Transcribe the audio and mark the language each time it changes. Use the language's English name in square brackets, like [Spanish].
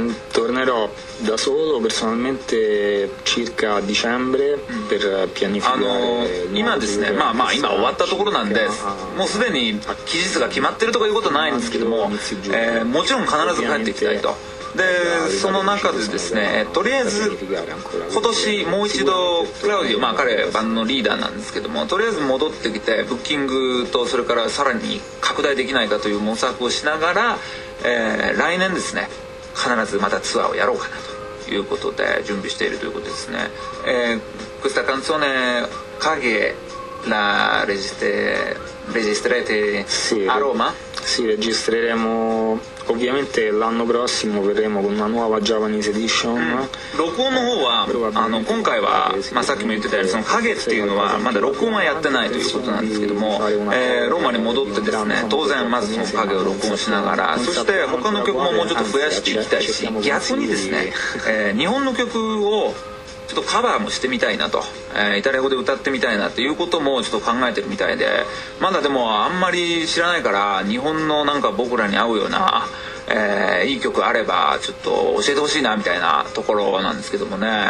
[Italian] Tornerò da solo personalmente circa dicembre per pianificare. [Japanese] 今ですね、まあまあ今終わったところなんで、もうすでに期日が決まってるとかいうことはないんですけども、もちろん必ず帰ってきたいと。で、その中でですね、とりあえず今年もう一度クラウディオ、まあ彼バンドのリーダーなんですけども、とりあえず戻ってきてブッキングとそれからさらに拡大できないかという模索をしながら、来年ですね必ずまたツアーをやろうかなということで準備しているということですね。 [Italian] Questa canzone Caghe la registrerete a Roma? Sì, registreremo ovviamente l'anno prossimo, vedremo con una nuova [English] Japanese edition. [Japanese] 録音の方は、今回は、まあ、さっきも言ってたように、その影っていうのはまだ録音はやってないということなんですけども、ローマに戻ってですね、当然まずその影を録音しながら、そして他の曲ももうちょっと増やしていきたいし、逆にですね、日本の曲をちょっとカバーもしてみたいなと、イタリア語で歌ってみたいなっていうこともちょっと考えてるみたいで、まだでもあんまり知らないから、日本のなんか僕らに合うような、いい曲あればちょっと教えてほしいなみたいなところなんですけどもね。